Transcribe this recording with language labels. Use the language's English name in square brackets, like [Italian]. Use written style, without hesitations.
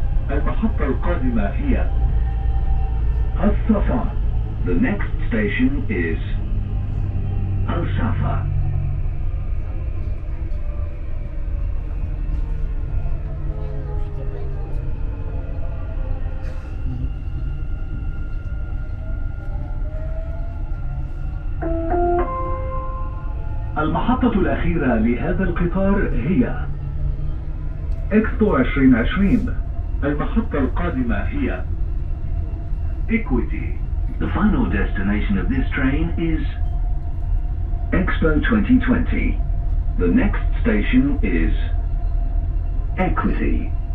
[Arabic] المحطة القادمة هي الصفا. [English] The next station is الصفا. [Arabic] المحطة الأخيرة لهذا القطار هي إكسبو 2020. المحطة القادمة هي إيكويتي. [English] The final destination of this train is Expo 2020. The next station is Equity.